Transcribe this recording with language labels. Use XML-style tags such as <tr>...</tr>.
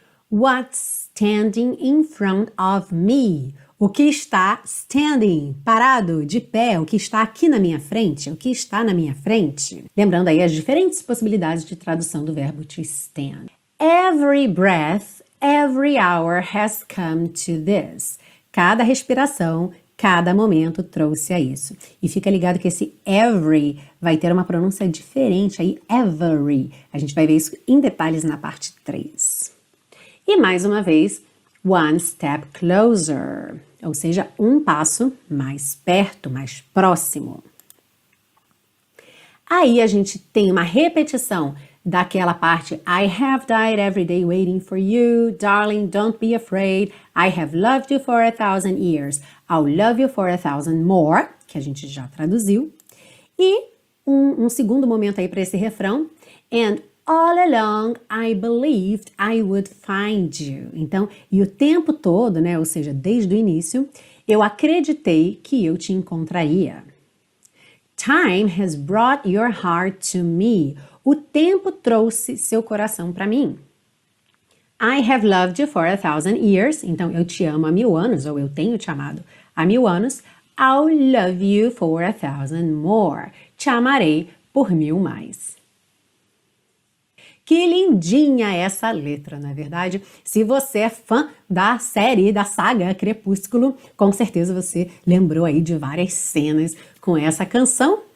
<en>What's standing in front of me?</en> <pt>O que está standing, parado, de pé, o que está aqui na minha frente, o que está na minha frente? Lembrando aí as diferentes possibilidades de tradução do verbo to stand.</pt> <en>Every breath, every hour has come to this.</en> <pt>Cada respiração, cada momento trouxe a isso. E fica ligado que esse every vai ter uma pronúncia diferente aí, every. A gente vai ver isso em detalhes na parte 3. E mais uma vez,</pt> <en>one step closer,</en> <pt>ou seja, um passo mais perto, mais próximo. Aí a gente tem uma repetição daquela parte,</pt> <en>I have died every day waiting for you, darling, don't be afraid, I have loved you for 1,000 years, I'll love you for 1,000 more,</en> <pt>que a gente já traduziu, e um segundo momento aí para esse refrão,</pt> <en>and all along, I believed I would find you.</en> <pt>Então, e o tempo todo, né? Ou seja, desde o início, eu acreditei que eu te encontraria.</pt> <en>Time has brought your heart to me.</en> <pt>O tempo trouxe seu coração para mim.</pt> <en>I have loved you for 1,000 years.</en> <pt>Então, eu te amo há 1,000 anos, ou eu tenho te amado há 1,000 anos.</pt> <en>I'll love you for 1,000 more.</en> <pt>Te amarei por 1,000 mais. Que lindinha essa letra, não é verdade? Se você é fã da série, da saga Crepúsculo, com certeza você lembrou aí de várias cenas com essa canção.</pt>